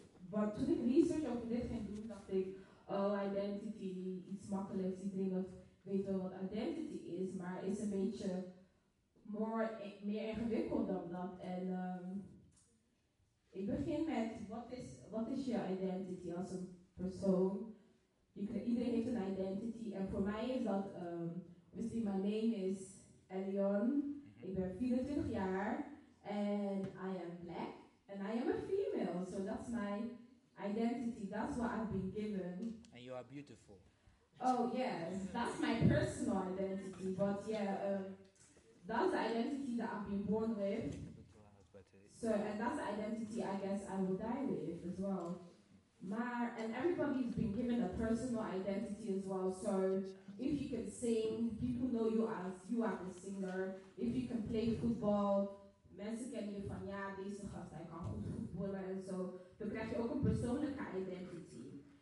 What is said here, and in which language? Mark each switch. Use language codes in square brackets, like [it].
[en] But to the research of the different groups of the identity, it's more collectively of what identity is, but it's a major more [nl] ingewikkeld dan dat. En ik begin met wat is je identity als een persoon? Iedereen heeft een identity. En voor mij is dat, misschien mijn name is Elion. Ik ben 24 jaar. En [en] I am black. And I am a female. So that's my identity. That's what I've been given. And you are beautiful. Oh yes. That's my personal identity. But yeah, that's the identity that I've been born with. So, and that's the identity I guess I will die with as well. And everybody's been given a personal identity as well. So if you can sing, people know you as you are the singer. If you can play football, [nl] mensen kennen je van ja, deze gast, hij kan goed voetballen en zo. Dan krijg je ook een persoonlijke identity.